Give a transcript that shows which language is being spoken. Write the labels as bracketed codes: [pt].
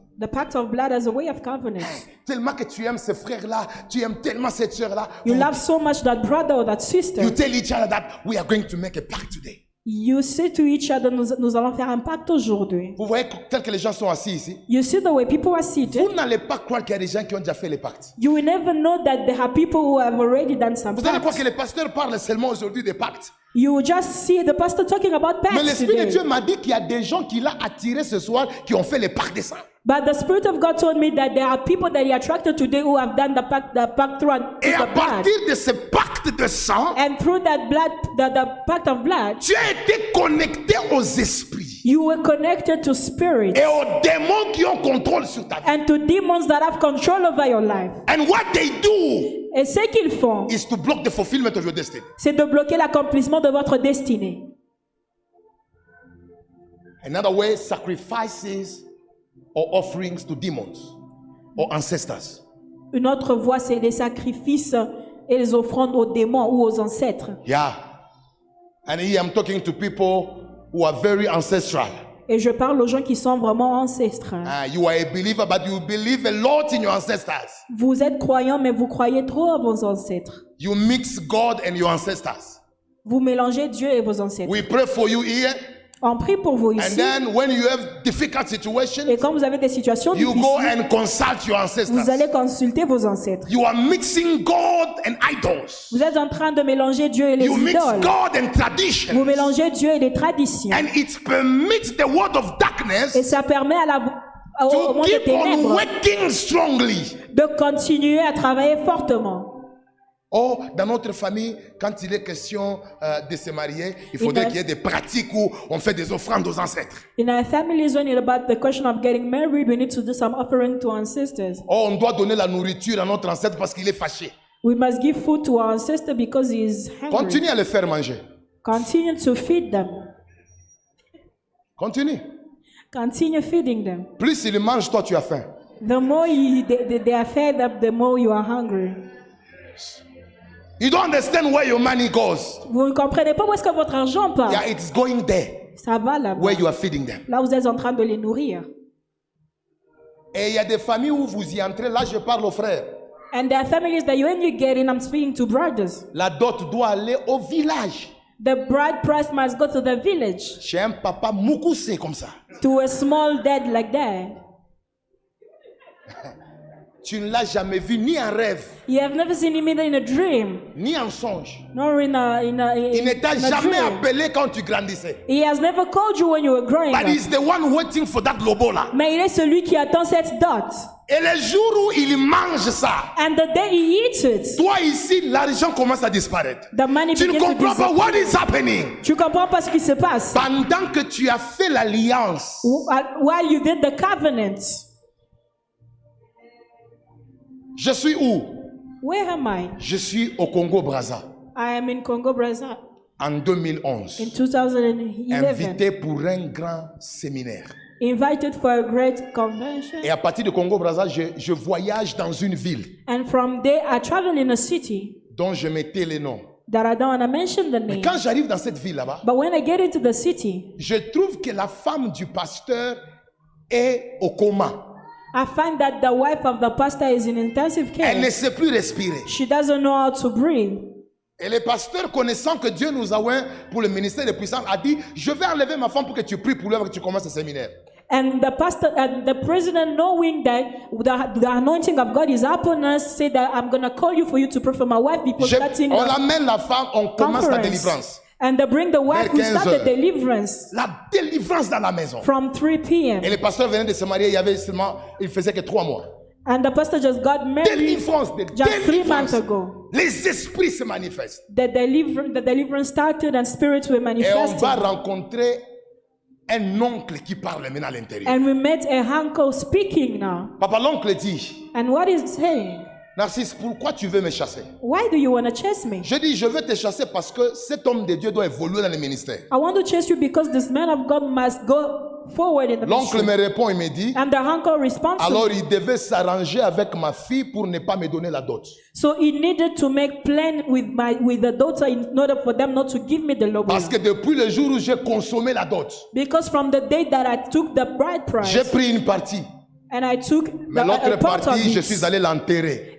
[en] The pact of blood as a way of covenant. [fr] Tellement que tu aimes ce frère là, tu aimes tellement cette sœur là. [en] You love so much that brother or that sister. You tell each other that we are going to make a pact today. You say to each other, [fr] nous allons faire un pacte aujourd'hui. Vous voyez tel que les gens sont assis ici. [en] You see the way people are seated. [fr] Vous n'allez pas croire qu'il y a des gens qui ont déjà fait les pactes. [en] You will never know that there are people who have already done some. [fr] Vous allez croire que les pasteurs parlent seulement aujourd'hui des pactes. [en] You will just see the pastor talking about pacts. [fr] Mais l'Esprit [en] today. [fr] De Dieu m'a dit qu'il y a des gens qui l'a attiré ce soir qui ont fait les pactes de sang. [en] But the Spirit of God told me that there are people that he attracted today who have done the pact through the blood. [fr] Et à partir de ce pacte de sang, [en] and through that blood, the pact of blood, [fr] tu as été connecté aux esprits. [en] You were connected to spirits. [fr] Et aux démons qui ont contrôle sur ta vie. [en] And to demons that have control over your life. And what they do. [fr] Et ce qu'ils font. [en] Is to block the fulfillment of your destiny. [fr] C'est de bloquer l'accomplissement de votre destinée. [en] In other words, sacrifices or offerings to demons or ancestors. [fr] Une autre voie, c'est les sacrifices et les offrandes aux démons ou aux ancêtres. [en] Yeah. And here I'm talking to people who are very ancestral. [fr] Et je parle aux gens qui sont vraiment ancestrales. [en] You are a believer, but you believe a lot in your ancestors. [fr] Vous êtes croyant, mais vous croyez trop à vos ancêtres. [en] You mix God and your ancestors. [fr] Vous mélangez Dieu et vos ancêtres. [en] We pray for you here. [fr] On prie pour vous ici. [en] And then when you have difficult situations, [fr] et quand vous avez des situations [en] you [fr] difficiles, [en] go and consult your ancestors. [fr] Vous allez consulter vos ancêtres. [en] You are mixing God and idols. [fr] Vous êtes en train de mélanger Dieu et les [en] you [fr] idoles. [en] Mix God and traditions. [fr] Vous mélangez Dieu et les traditions. [en] And it permits the word of darkness [fr] et ça permet à la [en] to keep on working strongly. [fr] De continuer à travailler fortement. Or, dans notre famille, quand il est question de se marier, il faudrait qu'il y ait des pratiques où on fait des offrandes aux ancêtres. [en] In our families, when it's about the question of getting married, we need to do some offering to ancestors. [fr] Or, on doit donner la nourriture à notre ancêtre parce qu'il est fâché. [en] We must give food to our ancestor because he is hungry. [fr] Continue à le faire manger. [en] Continue to feed them. Continue. Continue feeding them. [fr] Plus il mange, toi tu as faim. [en] The more they are fed up, the more you are hungry. You don't understand where your money goes. [fr] Vous ne comprenez pas où est-ce que votre argent part. [en] Yeah, it's going there. [fr] Ça va là-bas. [en] Where you are feeding them. [fr] Là, vous êtes en train de les nourrir. Et il y a des familles où vous y entrez. Là, je parle aux frères. [en] And there are families that when you get in, I'm speaking to brothers. [fr] La dot doit aller au village. [en] The bride price must go to the village. [fr] J'ai un papa moukoussé comme ça. [en] To a small dad like that. [fr] Tu ne l'as jamais vu ni en rêve. [en] You have never seen him either in a dream. [fr] Ni en songe. [en] Nor in a [fr] il ne t'a jamais appelé quand tu grandissais. [en] He has never called you when you were growing but up. But he's the one waiting for that lobo là. [fr] Mais il est celui qui attend cette dot. Et le jour où il mange ça. [en] And the day he eats it. [fr] Toi ici, l'argent commence à disparaître. [en] The money [fr] tu ne comprends pas [en] what is happening. [fr] Tu comprends pas ce qui se passe. Pendant que tu as fait l'alliance. [en] While you did the covenant. [fr] Je suis où? [en] Where am I? [fr] Je suis au Congo Brazza. [en] I am in Congo Brazza. [fr] En 2011. [en] In 2011. [fr] Invité pour un grand séminaire. [en] Invited for a great convention. [fr] Et à partir de Congo Brazza, je voyage dans une ville. [en] And from there, I travel in a city. [fr] Dont je mettais les noms. [en] That I don't want to mention the name. [fr] Mais quand j'arrive dans cette ville là-bas. [en] But when I get into the city. [fr] Je trouve que la femme du pasteur est au coma. [en] I find that the wife of the pastor is in intensive care. [fr] Elle ne sait plus respirer. [en] She doesn't know how to breathe. [fr] Et le pasteur, connaissant que Dieu nous a ouvert pour le ministère de puissance, a dit, je vais enlever ma femme pour que tu pries pour lui avant que tu commences le séminaire. [en] And the pastor, the president, knowing that the anointing of God is upon us, said that I'm going to call you for you to pray for my wife before starting [fr] on amène la femme, on commence la délivrance. [en] And they bring the wife, we start the deliverance. [fr] La délivrance dans la maison. [en] From 3 p.m. [fr] Et le pasteur venait de se marier, il y avait seulement, il faisait que 3 mois. [en] And the pastor just got married [fr] délivrance, [en] just [fr] délivrance. [en] 3 months ago. [fr] Les esprits se manifestent. [en] The deliverance started and spirits were manifesting. [fr] Et on va rencontrer un oncle qui parle maintenant à l'intérieur. [en] And we met a uncle speaking now. [fr] Papa, l'oncle dit. [en] And what is he saying? [fr] Narcisse, pourquoi tu veux me chasser? [en] Why do you want to chase me? [fr] Je dis, je veux te chasser parce que cet homme de Dieu doit évoluer dans le ministère. [en] I want to chase you because this man of God must go forward in the ministry. [fr] L'oncle me répond et me dit. [en] And the uncle responds. [fr] Alors il devait s'arranger avec ma fille pour ne pas me donner la dot. [en] So he needed to make plan with the daughter in order for them not to give me the lobo. [fr] Parce que depuis le jour où j'ai consommé la dot. [en] Because from the day that I took the bride price. [fr] J'ai pris une partie. [en] And I took [fr] mais l'autre partie, je suis allé l'enterrer.